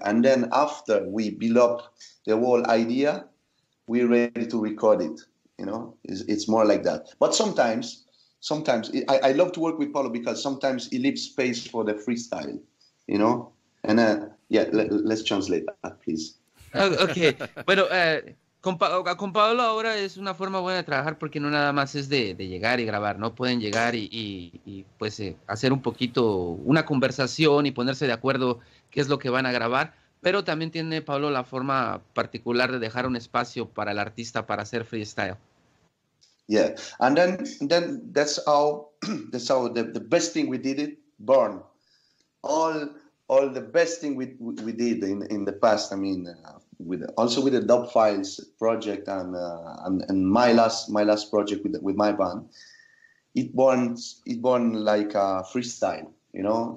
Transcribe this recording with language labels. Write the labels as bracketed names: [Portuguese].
[English] And then after we build up the whole idea, we're ready to record it, you know. It's more like that. But sometimes I love to work with Paolo, because sometimes he leaves space for the freestyle, you know. And let's translate that, please. Okay. [Spanish] Bueno, con Paolo ahora es una forma buena de trabajar, porque no nada más es de llegar y grabar, ¿no? Pueden llegar y pues hacer un poquito una conversación y ponerse de acuerdo qué es lo que van a grabar. Pero también tiene Paolo la forma particular de dejar un espacio para el artista para hacer freestyle. [English] Yeah, and then that's how the best thing we did it, Born. All the best thing we did in the past, I mean, with the Dub Files project and my last project with my band, it born like a freestyle, you know.